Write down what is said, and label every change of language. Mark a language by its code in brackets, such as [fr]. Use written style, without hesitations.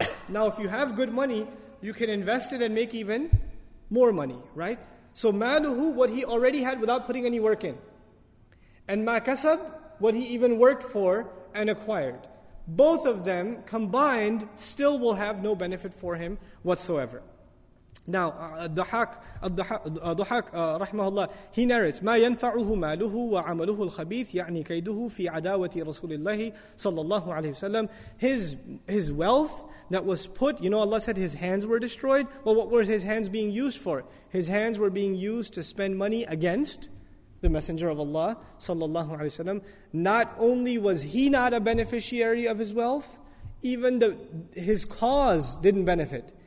[en] Now if you have good money, you can invest it and make even more money, right? So maluhu, what he already had without putting any work in. And ma kasab, what he even worked for and acquired. Both of them combined still will have no benefit for him whatsoever. Now, Dhahak, rahmahullah, he narrates, [ar] مَا يَنْفَعُهُ مَالُهُ وَعَمَلُهُ الْخَبِيثِ يَعْنِي كَيْدُهُ فِي عَدَاوَةِ رَسُولِ اللَّهِ صَلَّى اللَّهُ عَلَيْهِ وَسَلَّمُ. [en] His wealth that was put, you know, Allah said his hands were destroyed. Well, what were his hands being used for? His hands were being used to spend money against the Messenger of Allah sallallahu alaihi wasallam, not only was he not a beneficiary of his wealth, even his cause didn't benefit.